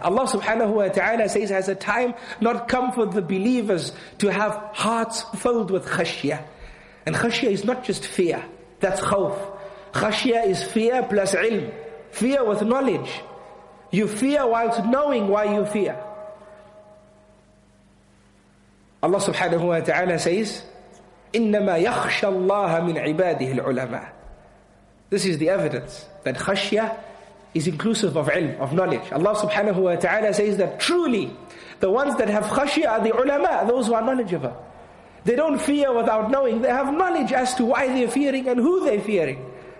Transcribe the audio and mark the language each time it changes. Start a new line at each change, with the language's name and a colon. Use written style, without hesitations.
English: Allah subhanahu wa ta'ala says, has a time not come for the believers to have hearts filled with khashya. And khashya is not just fear. That's khawf. Khashya is fear plus ilm. Fear with knowledge. You fear whilst knowing why you fear.
Arabic: Allah subhanahu wa ta'ala says, إِنَّمَا يَخْشَ اللَّهَ مِنْ عِبَادِهِ الْعُلَمَاءِ.
English: This is the evidence that khashya is inclusive of ilm, of knowledge. Allah subhanahu wa ta'ala says that truly, the ones that have khashya are the ulama, those who are knowledgeable. They don't fear without knowing. They have knowledge as to why they're fearing and who they're fearing.